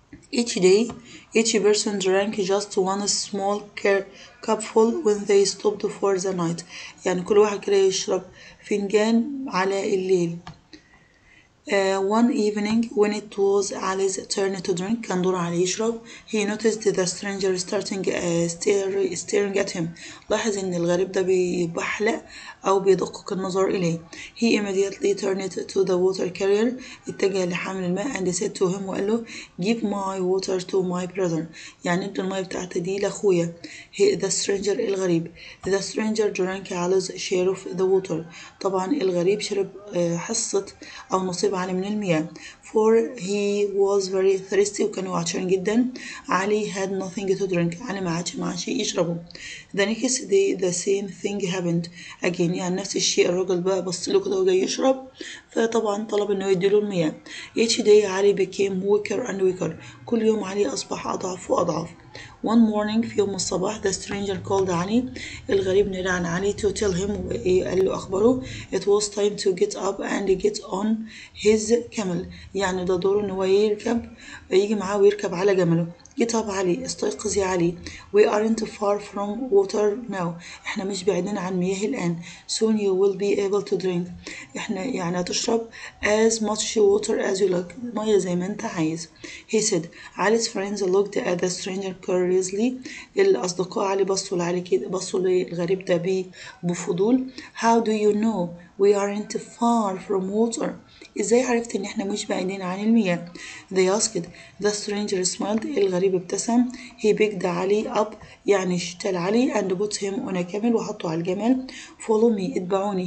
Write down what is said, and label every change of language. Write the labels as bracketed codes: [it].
[en] Each day, each person drank just one small cupful when they stopped for the night. [ar] يعني كل واحد كده يشرب فنجان على الليل. [en] One evening when it was Ali's turn to drink, [ar] كان دور علي يشرب. [en] He noticed the stranger starting staring at him. [ar] لاحظ إن الغريب ده بيبحلق أو بيدقق النظر إليه. [en] He immediately turned to the water carrier. [ar] اتجه لحامل الماء [en] and said to him [ar] وقال له [en] give my water to my brother. [ar] يعني ادي الماء بتاعتي دي لأخويا. [en] The stranger [ar] الغريب. [en] The stranger drank Ali's share of the water. [ar] طبعا الغريب شرب حصة أو نصف علي من المياه. [en] For he was very thirsty [ar] وكان عطشان جدا. علي [en] had nothing to drink [ar] علي ما عادش معاه شيء يشربه. [en] The next day the same thing happened again [ar] يعني نفس الشيء الراجل بقى بص له كده وجاي يشرب فطبعا طلب انه يديله المياه. [en] Each day [ar] علي [en] became weaker and weaker [ar] كل يوم علي اصبح اضعف واضعف. [en] One morning [ar] في يوم الصباح [en] the stranger called [ar] علي الغريب نادى عن علي [en] to tell him [ar] وقال له اخبره [en] it was time to get up and get on his camel [ar] يعني ده دوره ان هو يركب يجي معاه ويركب على جمله. طب علي، استيقظ يا علي. [en] We aren't far from water now. [ar] احنا مش بعيدين عن مياه الآن. [en] Soon you will be able to drink. [ar] احنا يعني هتشرب [en] as much water as you like. [ar] مياه زي ما انت عايز. [en] He said. Ali's friends looked at the stranger curiously. [ar] الأصدقاء علي بصوا لعلي كده، بصوا للغريب ده بفضول. [en] How do you know we aren't far from water؟ [ar] ازاي عرفت ان احنا مش بعيدين عن المياه؟ [en] They asked. The stranger smiled. [ar] الغريب ابتسم. [en] He picked Ali up [ar] يعني اشتل علي [en] and put him on a camel [ar] وحطه على الجمل. [en] Follow me. [ar] اتبعوني.